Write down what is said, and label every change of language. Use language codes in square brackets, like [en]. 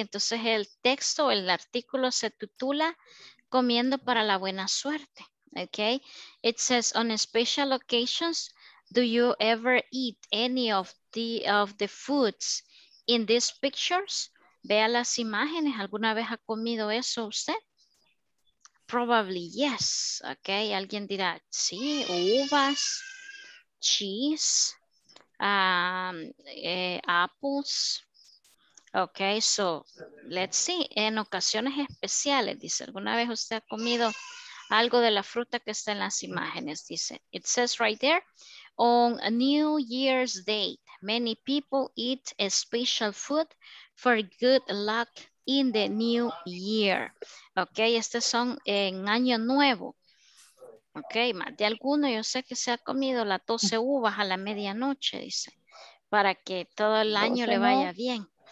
[es] Entonces el texto, el artículo se titula Comiendo para la buena suerte, okay. [en] It says, on special occasions, do you ever eat any of the foods in these pictures? [es] Vea las imágenes, ¿alguna vez ha comido eso usted? [en] Probably yes, okay. [es] Alguien dirá, sí, uvas, [en] cheese, apples. Okay, so let's see. [es] En ocasiones especiales, dice, ¿alguna vez usted ha comido algo de la fruta que está en las imágenes? Dice, [en] it says right there, on a New Year's Day, many people eat a special food for good luck in the new year. [es] Ok, estos son en año nuevo. Ok, más de alguno yo sé que se ha comido las 12 uvas a la medianoche, dice, para que todo el año le vaya bien.